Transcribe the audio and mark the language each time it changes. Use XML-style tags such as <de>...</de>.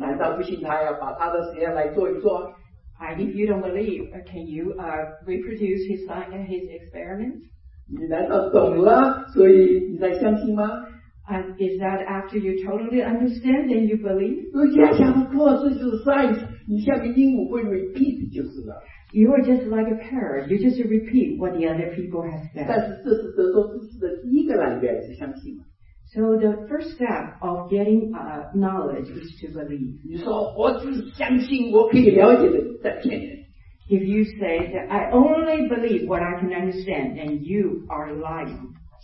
<zh>难道不信他要把他的实验来做一做？</zh> <en>If you don't believe, can you reproduce his science and his experiments?</en> <zh>你难道懂了，所以你在相信吗？</zh> <en>And is that after you totally understand, then you believe?</en> <zh>如果你还想不过，这就是science。你像个鹦鹉会 repeat 就是了。You</zh> <en>are just like a parrot. You just repeat what the other people have said.</en> <zh>但是这是得到知识的第一个来源，是相信吗？</zh> <en>So the first step of getting knowledge is to believe.</en> <zh>你说我只相信我可以了解的，在骗人。If</zh> <en>you say that I only believe what I can understand, then you are lying.</en>